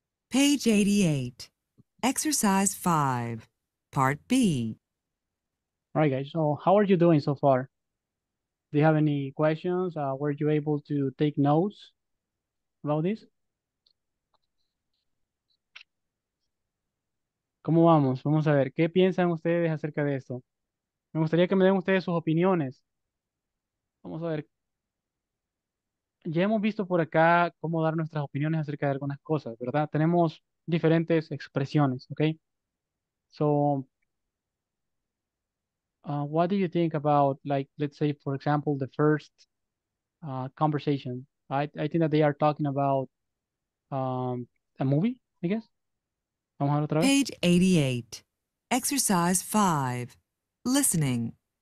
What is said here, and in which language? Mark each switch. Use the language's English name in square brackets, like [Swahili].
[English] Page 88, Exercise 5, Part B. All right, guys, so how are you doing so far? Do you have any questions? Were you able to take notes about this? [Spanish] ¿Cómo vamos? Vamos a ver, ¿qué piensan ustedes acerca de esto? Me gustaría que me den ustedes sus opiniones. Vamos a ver. Ya hemos visto por acá cómo dar nuestras opiniones acerca de algunas cosas, ¿verdad? Tenemos diferentes expresiones, ¿ok? [English] So, what do you think about, like, let's say, for example, the first conversation? I think that they are talking about a movie, I guess. [Spanish] Vamos a ver otra vez. [English] Page 88, Exercise 5, Listening.